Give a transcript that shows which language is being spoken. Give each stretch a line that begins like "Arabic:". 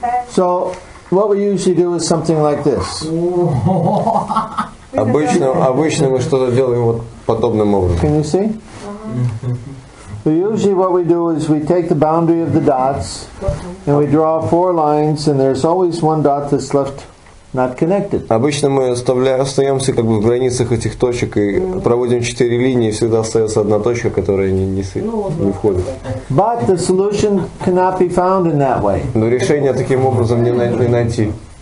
English: So, what we usually do is something like this.
Russian: Обычно мы что-то делаем вот подобным образом.
English: Can you see? So usually what we do is we take the boundary of the dots and we draw 4 lines and there's always one dot that's left not connected.
Russian: Обычно мы остаемся как бы в границах этих точек и проводим 4 линии, и всегда остается одна точка, которая не входит.
English: But the solution cannot be found in that way.
Russian: Но решение таким образом не найти.